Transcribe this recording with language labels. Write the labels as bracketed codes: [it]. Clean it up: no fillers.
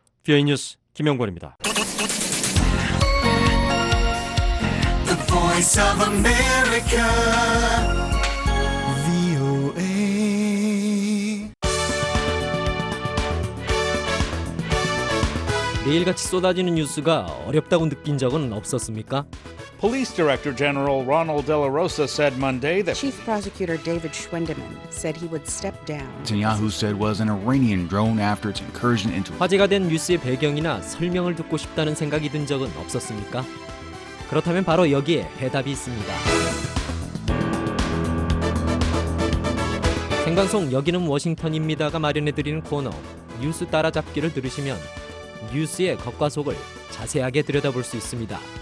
[ko] VOA 뉴스 김영권입니다. The Voice of America. [en] VOA. 미 [ko] 매일같이 쏟아지는 뉴스가 어렵다고 느낀 적은 없었습니까? [en] Police Director General Ronald De La Rosa said Monday that Chief Prosecutor David Schwendeman said he would step down. Netanyahu said was an Iranian drone after its incursion into [ko] 화제가 된 뉴스의 배경이나 설명을 듣고 싶다는 생각이 든 적은 없었습니까? 그렇다면 바로 여기에 해답이 있습니다. 생방송 여기는 워싱턴입니다가 마련해드리는 코너 뉴스 따라잡기를 들으시면 뉴스의 겉과 속을 자세하게 들여다볼 수 있습니다.